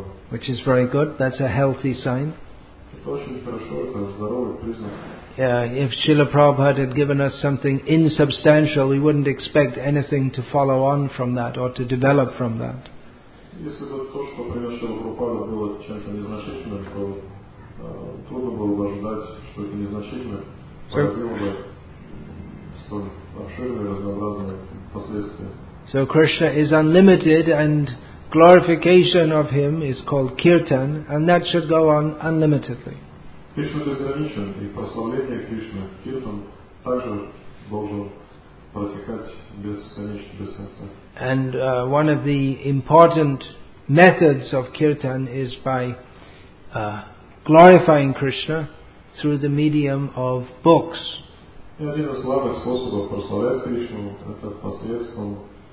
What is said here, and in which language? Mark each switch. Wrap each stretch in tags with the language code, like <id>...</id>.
<en>Which is very good, that's a healthy sign. If Srila Prabhupada had given us something insubstantial, we wouldn't expect anything to follow on from that or to develop from that.</en> <ru>Если бы то, что принес Шрила Прабхупада, было чем-то незначительным, то трудно было бы ожидать, что это незначительно породило бы столь обширные разнообразные последствия.</ru> <en>So Krishna is unlimited and glorification of him is called kirtan and that should go on unlimitedly. Krishna is</en> <ru>безграничен и прославление Кришны, kirtan, также должен протекать бесконечно, без конца.</ru> <en>And one of the important methods of kirtan is by glorifying Krishna through the medium of books.</en> <ru>И один из главных способов прославлять Кришну это посредством.</ru>